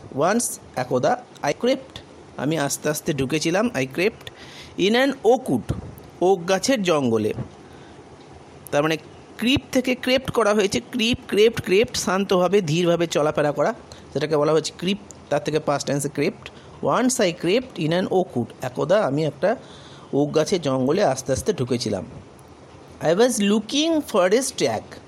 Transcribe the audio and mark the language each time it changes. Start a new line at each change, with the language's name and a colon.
English: Once, I crept.
Bangla: আমি আস্তে আস্তে ঢুকেছিলাম,
English: I crept. In an oak wood.
Bangla: Oak গাছের জঙ্গলে. তার মানে creep থেকে crept করা হয়েছে.
English: Creep, crept, crept.
Bangla: শান্তভাবে, ধীরভাবে চলাফেরা করা. সেটাকে বলা হয়েছে creep. তার থেকে
English: past tense crept. Once I crept in an oak wood.
Bangla: একদা আমি একটা oak গাছের জঙ্গলে আস্তে আস্তে ঢুকেছিলাম.
English: I was looking for a stag.